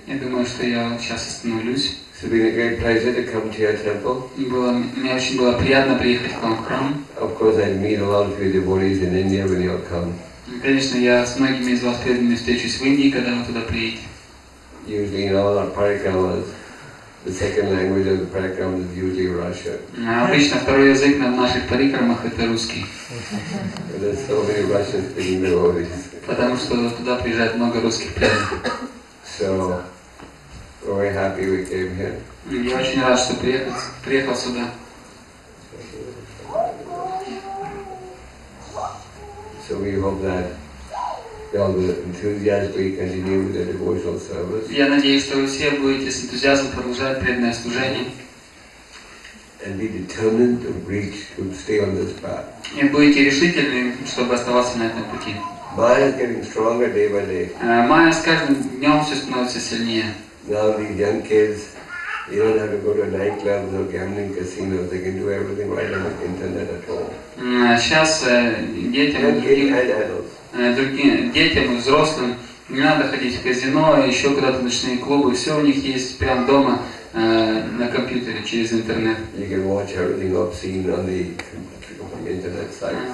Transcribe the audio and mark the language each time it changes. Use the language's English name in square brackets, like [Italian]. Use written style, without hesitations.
[Russian] Я думаю, что я сейчас остановлюсь. [English] It's been a great pleasure to come to your temple. [Russian] Мне очень было приятно приехать к вам в храм. [English] Of course, I meet a lot of your devotees in India when you come. [Russian] Конечно, я с многими из вас преданными встречусь в Индии, когда вы туда приедете. [English] Usually, you know, our parikrama, the second language of the parikrama is usually Russia. [Russian] Обычно второй язык на наших парикрамах это русский. [English] There's so many Russians in the world. [Russian] Потому что туда приезжает много русских преданных. [English] So, we're very happy we came here. [Russian] Я очень рад, что приехал сюда. [English] So we hope that all the enthusiasm we continue with the devotional service. [Russian] Я надеюсь, что вы все будете с энтузиазмом продолжать преданное служение. [English] And be determined to reach to stay on this path. [Russian] И будете решительны, чтобы оставаться на этом пути. [English] Майя is getting stronger day by day. [Russian] Майя с каждым днем все становится сильнее. [English] Now these young kids, you don't have to go to nightclubs or gambling casinos. They can do everything right on the internet at home. [Russian] Сейчас детям, взрослым не надо ходить в казино, еще куда-то ночные клубы. Все у них есть прямо дома на компьютере через интернет. [English] You can watch everything obscene on the internet sites.